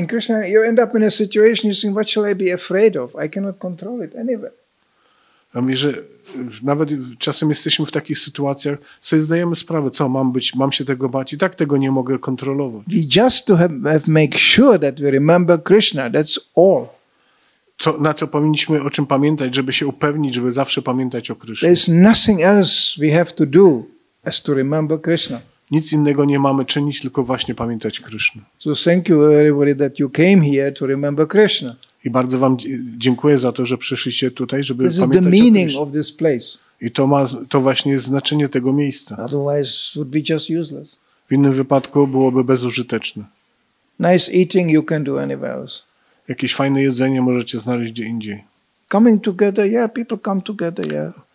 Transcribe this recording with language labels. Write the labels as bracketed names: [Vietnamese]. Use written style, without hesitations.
[English] In Krishna, you end up in a situation, you think, what shall I be afraid of? I cannot control it anyway. [Polish] A mi, że nawet czasem jesteśmy w takich sytuacjach, sobie zdajemy sprawę, co mam być, mam się tego bać i tak tego nie mogę kontrolować. [English] We just to have make sure that we remember Krishna, that's all. [Polish] To, na co powinniśmy o czym pamiętać, żeby się upewnić, żeby zawsze pamiętać o Krishna. [English] There's nothing else we have to do as to remember Krishna. [Polish] Nic innego nie mamy czynić, tylko właśnie pamiętać Krishna. [English] So thank you everybody that you came here to remember Krishna. [Polish] I bardzo wam dziękuję za to, że przyszliście tutaj, żeby [English] this [Polish] pamiętać [English] is the meaning [Polish] o Krishna. [English] Of this place. [Polish] I to właśnie jest znaczenie tego miejsca. [English] Otherwise it would be just useless. [Polish] W innym wypadku byłoby bezużyteczne. [English] Nice eating you can do anywhere else. [Polish] Jakieś fajne jedzenie możecie znaleźć gdzie indziej. [English] Coming together, yeah, people come together, yeah.